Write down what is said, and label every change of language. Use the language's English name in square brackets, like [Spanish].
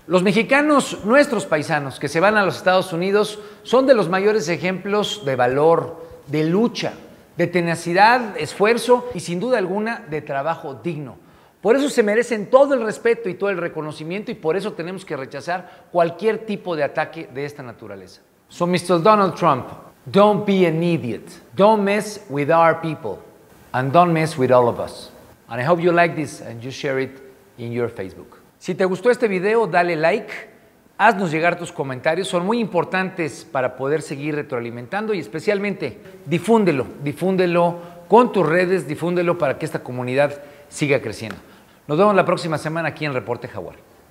[Spanish] Los mexicanos, nuestros paisanos que se van a los Estados Unidos, son de los mayores ejemplos de valor, de lucha, de tenacidad, esfuerzo y sin duda alguna de trabajo digno. Por eso se merecen todo el respeto y todo el reconocimiento y por eso tenemos que rechazar cualquier tipo de ataque de esta naturaleza. [English] So, Mr. Donald Trump, don't be an idiot. Don't mess with our people and don't mess with all of us. And I hope you like this and you share it in your Facebook. [Spanish] Si te gustó este video, dale like, haznos llegar tus comentarios, son muy importantes para poder seguir retroalimentando y especialmente difúndelo con tus redes, difúndelo para que esta comunidad siga creciendo. Nos vemos la próxima semana aquí en Reporte Jaguar.